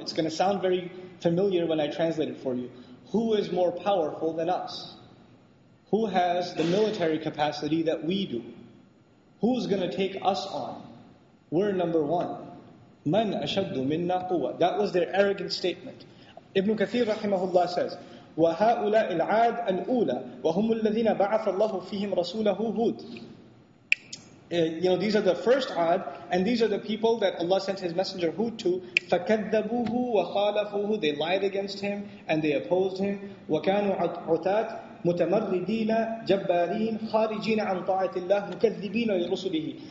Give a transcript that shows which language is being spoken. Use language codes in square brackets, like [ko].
[en] It's going to sound very familiar when I translate it for you. Who is more powerful than us? Who has the military capacity that we do? Who's going to take us on? We're number one. [ar] Man ashaddu minna quwwa. [en] That was their arrogant statement. Ibn Kathir rahimahullah says, [ar] وَهَؤُلَاءِ الْعَادِ الْأُولَى وَهُمُ الَّذِينَ بَعَثَ اللَّهُ فِيهِمْ رَسُولَهُ هُودٍ. [en] You know, these are the first Ad, and these are the people that Allah sent His Messenger Hud to. [ar] فَكَذَّبُوهُ وَخَالَفُوهُ. [en] They lied against Him, and they opposed Him. [ar] وَكَانُوا عُتَاتٍ مُتَمَرِّدِينَ جَبَّارِينَ خَارِجِينَ عَنْ طَاعَةِ اللَّهِ مُكَذِّبِينَ لِرُسُلِهِ.